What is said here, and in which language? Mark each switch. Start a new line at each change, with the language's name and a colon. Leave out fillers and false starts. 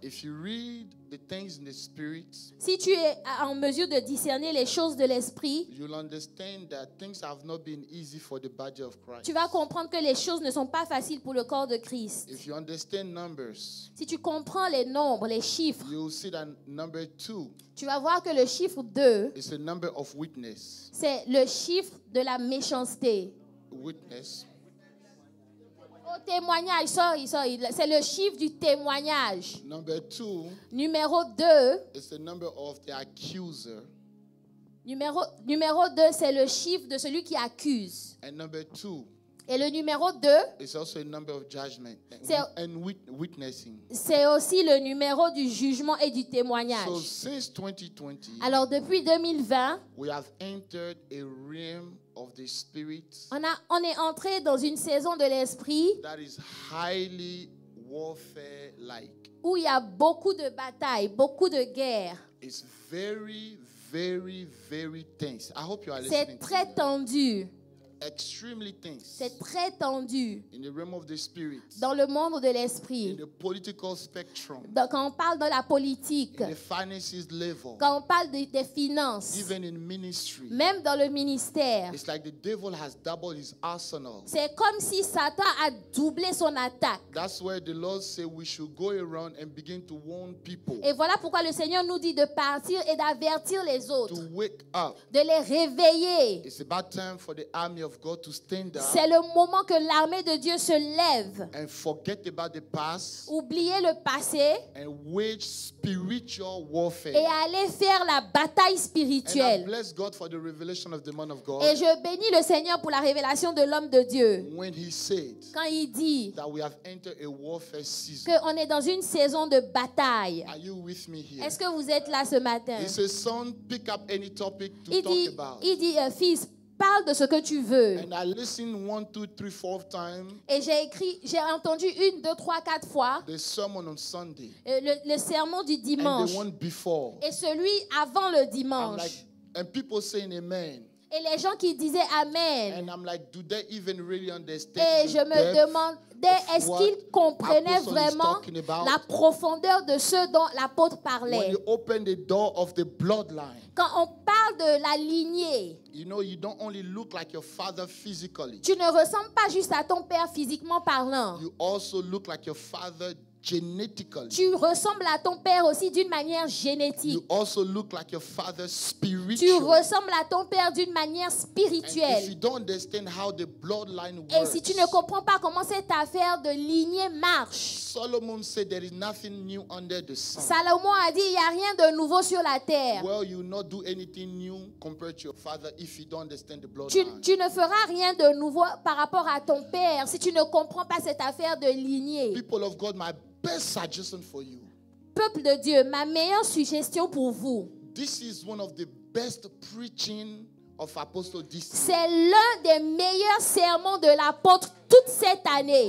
English: if you read the things in the spirit,
French: si tu es en mesure de discerner les choses de l'esprit,
English: you'll understand that things have not been easy for the body of Christ.
French: Tu vas comprendre que les choses ne sont pas faciles pour le corps de Christ.
English: If you understand numbers,
French: si tu comprends les nombres, les chiffres,
English: you'll see that number two,
French: tu vas voir que le chiffre 2
English: is a number of witness.
French: C'est le chiffre de la méchanceté.
English: Witness.
French: Au témoignage,
English: sorry,
French: c'est le chiffre du témoignage.
English: Number two,
French: numéro 2.
English: It's the number of the accuser.
French: Numéro 2, c'est le chiffre de celui qui accuse.
English: And number two,
French: et le numéro 2,
English: it's also a number of judgment and witnessing.
French: C'est aussi le numéro du jugement et du témoignage.
English: So since 2020,
French: alors depuis 2020,
English: we have entered a realm of the spirit.
French: On est entré dans une saison de l'esprit
English: that is highly warfare-like.
French: Où il y a beaucoup de batailles, beaucoup de guerres.
English: It's very, very, very tense. I hope you are listening.
French: très tendu.
English: Extremely tense.
French: C'est très tendu.
English: In the realm of the spirit.
French: Dans le monde de l'esprit.
English: In the political spectrum.
French: Quand on parle de la politique.
English: In the finances level.
French: Quand on parle des finances.
English: Even in ministry.
French: Même dans le ministère.
English: It's like the devil has doubled his arsenal.
French: C'est comme si Satan a doublé son attaque.
English: That's where the Lord said we should go around and begin to warn people.
French: Et voilà pourquoi le Seigneur nous dit de partir et d'avertir les autres.
English: To wake up.
French: De les réveiller.
English: It's about time for the army. Of God to stand up.
French: C'est le moment que l'armée de Dieu se lève.
English: And forget about the past.
French: Oubliez le passé.
English: And wage spiritual warfare.
French: Et aller faire la bataille spirituelle.
English: And I bless God for the revelation of the man of God.
French: Et je bénis le Seigneur pour la révélation de l'homme de Dieu.
English: When he said,
French: quand il dit
English: that we have entered a warfare season.
French: Que on est dans une saison de bataille.
English: Are you with me here?
French: Est-ce que vous êtes là ce matin?
English: He says, son, pick up any topic to talk about.
French: Il dit, fils, parle de ce que tu veux.
English: And I listened 1, 2, 3, 4 times.
French: Et j'ai écrit, j'ai entendu 1, 2, 3, 4 fois.
English: The sermon on Sunday.
French: Le sermon du dimanche.
English: And the one before.
French: Et celui avant le dimanche.
English: Like, and people saying amen.
French: Et les gens qui disaient amen.
English: And I'm like, do they even really understand?
French: Et je me demandais, est-ce qu'ils comprenaient vraiment la profondeur de ce dont l'apôtre parlait?
English: When you open the door of the bloodline.
French: Quand on parle de la lignée,
English: you know, you don't only look like your father physically.
French: Tu ne ressembles pas juste à ton père physiquement parlant.
English: You also look like your father genetically.
French: Tu ressembles à ton père aussi d'une manière génétique.
English: You also look like your father spiritually.
French: Tu ressembles à ton père d'une manière spirituelle.
English: And if you don't understand how the bloodline works,
French: et si tu ne comprends pas comment cette affaire de lignée marche,
English: Solomon said there is nothing new under the sun.
French: Salomon a dit il n'y a rien de nouveau sur la terre.
English: Well, you will not do anything new compared to your father if you don't understand the bloodline.
French: Tu ne feras rien de nouveau par rapport à ton père si tu ne comprends pas cette affaire de lignée.
English: People of God, my best suggestion for you.
French: Peuple de Dieu, ma meilleure suggestion pour vous.
English: This is one of the best preaching of Apostle this year.
French: C'est l'un des meilleurs sermons de l'apôtre toute cette année.